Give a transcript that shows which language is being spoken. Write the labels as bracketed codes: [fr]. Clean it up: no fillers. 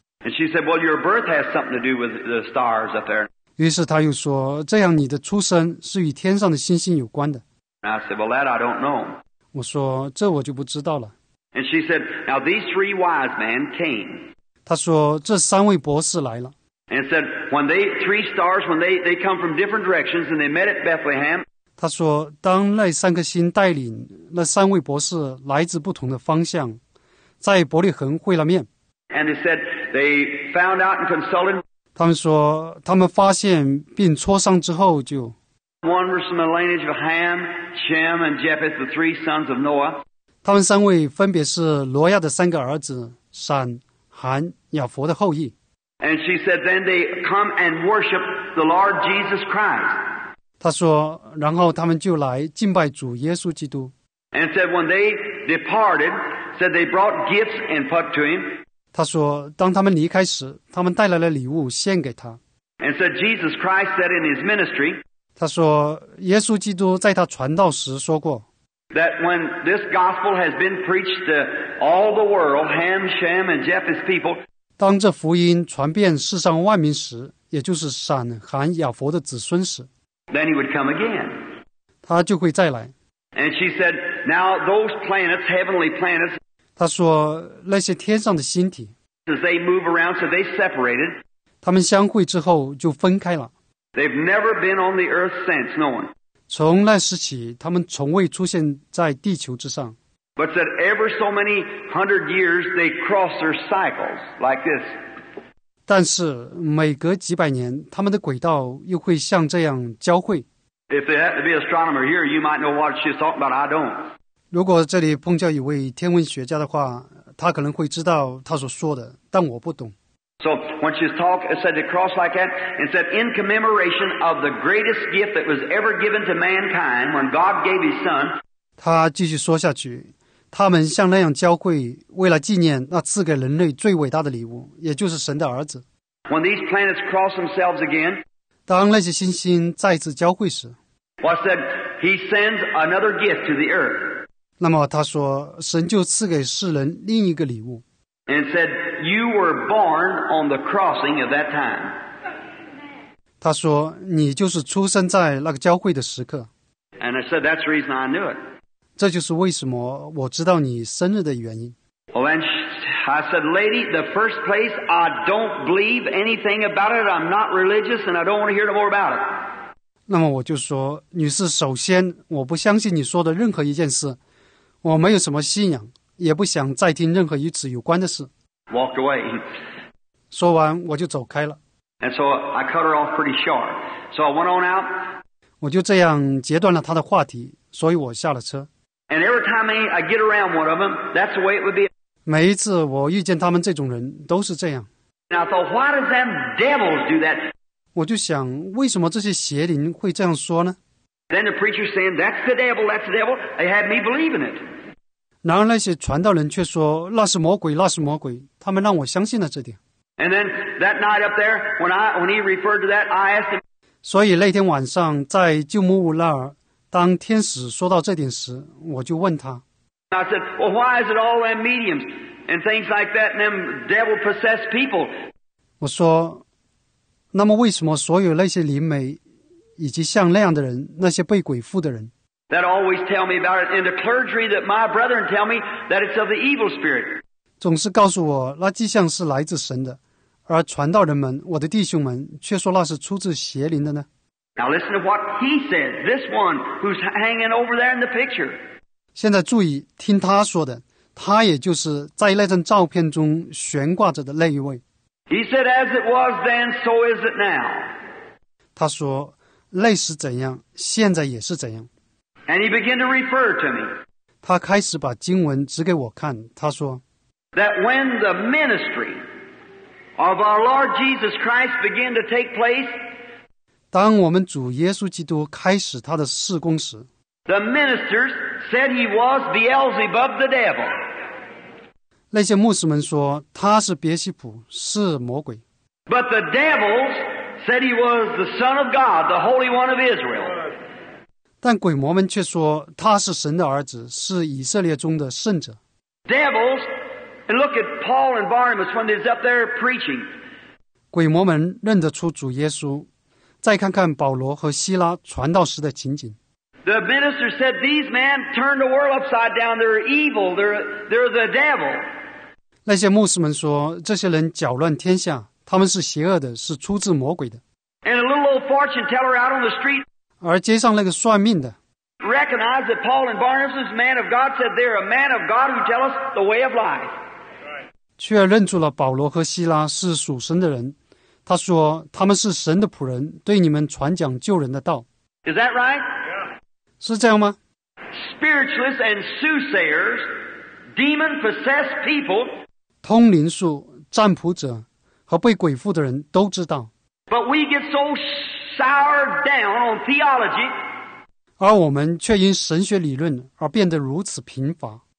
[en] And she said, well, your birth has something to do with the stars up there. [zh] 于是他又说这样你的出生是与天上的星星有关的。 [en] And I said, well, that I don't know. [zh] 我说这我就不知道了。 [en] And she said, now these three wise men came. [zh] 他说这三位博士来了。 [en] And said, when they, three stars, when they come from different directions and they met at Bethlehem. [zh] 他说当那三颗星带领那三位博士来自不同的方向在伯利恒会了面。 [en] And they said, they found out and consulted. [zh] 他们说他们发现并磋商之后就 [en] One was from the lineage of Ham, Shem, and Japheth, the three sons of Noah. [zh] 他们三位分别是挪亚的三个儿子闪、韩、亚佛的后裔。 [en] And she said, then they come and worship the Lord Jesus Christ. [zh] 他说然后他们就来敬拜主耶稣基督。 [en] And said, when they departed, said they brought gifts and put to him. [zh] 他说当他们离开时他们带来了礼物献给他。 [en] And so Jesus Christ said in his ministry, [zh] 他说耶稣基督在他传道时说过 [en] that when this gospel has been preached to all the world, Ham, Shem, and Japheth's people, [zh] 当这福音传遍世上万民时也就是闪、韩、亚佛的子孙时 [en] then he would come again. [zh] 他就会再来。 [en] And she said, now those planets, heavenly planets, [zh] 他说那些天上的星体 [en] As they move around, so they separated. [zh] 他们相会之后就分开了。 [en] They've never been on the earth since, no one. [zh] 从那时起，他们从未出现在地球之上。 [en] But that ever so many hundred years, they cross their cycles like this. [zh] 但是每隔几百年，他们的轨道又会像这样交汇。 [en] If there had to be an astronomer here, you might know what she's talking about. I don't. [zh] 如果这里碰巧一位天文学家的话，他可能会知道他所说的，但我不懂。 [en] So when she's talking, said they cross like that, and said in commemoration of the greatest gift that was ever given to mankind when God gave His Son. [zh] 他继续说下去，他们像那样交汇，为了纪念那赐给人类最伟大的礼物，也就是神的儿子。 [en] When these planets cross themselves again. [zh] 当那些星星再次交汇时 [en] ，What said He sends another gift to the earth. [zh] 那么他说，神就赐给世人另一个礼物。 [en] And said, "You were born on the crossing of that time." [zh] 他说，你就是出生在那个交汇的时刻。 [en] And I said, "That's the reason I knew it." [zh] 这就是为什么我知道你生日的原因。 [en] Well, and I said, "Lady, the first place I don't believe anything about it. I'm not religious, and I don't want to hear no more about it." [zh] 那么我就说，女士，首先我不相信你说的任何一件事，我没有什么信仰。也不想再听任何与此有关的事。 [en] Walked away. [zh] 说完我就走开了。 [en] And so I cut her off pretty short. So I went on out. [zh] 我就这样截断了他的话题，所以我下了车。 [en] And every time I get around one of them, that's the way it would be. [zh] 每一次我遇见他们这种人都是这样。 [en] And I thought, why does them devils do that? [zh] 我就想，为什么这些邪灵会这样说呢？ [en] Then the preacher saying, that's the devil, that's the devil. They had me believing it. [zh] 然而那些传道人却说那是魔鬼那是魔鬼，他们让我相信了这点。 [en] And then that night up there, when he referred to that, I asked him. [zh] 所以那天晚上在旧木屋那儿，当天使说到这点时，我就问他。 [en] I said, well, why is it all them mediums and things like that and them devil-possessed people? [zh] 我说，那么为什么所有那些灵媒以及像那样的人，那些被鬼附的人。 [en] That always tell me about it, and the clergy that my brethren tell me that it's of the evil spirit. [zh] 总是告诉我那迹象是来自神的，而传道人们，我的弟兄们，却说那是出自邪灵的呢。 [en] Now listen to what he said. This one who's hanging over there in the picture. [zh] 现在注意听他说的，他也就是在那张照片中悬挂着的那一位。 [en] He said, "As it was then, so is it now." [zh] 他说，那时怎样，现在也是怎样。 [en] And he began to refer to me. [zh] 他开始把经文指给我看，他说 [en] That when the ministry of our Lord Jesus Christ began to take place, [zh] 当我们主耶稣基督开始他的事工时 [en] the ministers said he was Beelzebub the devil. [zh] 那些牧师们说他是别西卜，是魔鬼。 [en] But the devils said he was the Son of God, the Holy One of Israel. [zh] 但鬼魔们却说他是神的儿子，是以色列中的圣者。 [en] Devils, and look at Paul and Barnabas when they're up there preaching. [zh] 鬼魔们认得出主耶稣，再看看保罗和希拉传道时的情景。 [en] The minister said these men turned the world upside down. They're evil. They're the devil. [zh] 那些牧师们说这些人搅乱天下，他们是邪恶的，是出自魔鬼的。 [en] And a little old fortune teller out on the street. [zh] 而街上那个算命的 [en] recognize that Paul and Barnabas is man of God said they're a man of God who tell us the way of life [zh] 却认出了保罗和希拉是属神的人，他说他们是神的仆人，对你们传讲救人的道。 [en] Is that right? [zh] 是这样吗？ [en] Spiritualists and soothsayers, demon possessed people [zh] 通灵术、占卜者和被鬼附的人都知道。 [en] But we get so sour down on theology, [zh] 而我们却因神学理论而变得如此贫乏